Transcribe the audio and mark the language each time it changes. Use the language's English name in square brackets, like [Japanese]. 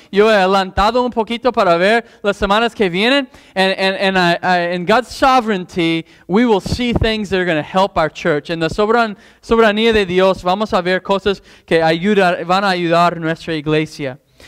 [Spanish] Yo he adelantado un poquito para ver las semanas que vienen. [English] And I, in God's sovereignty, we will see things that are going to help our church. [Spanish] En la soberanía de Dios, vamos a ver cosas que van a ayudar nuestra iglesia.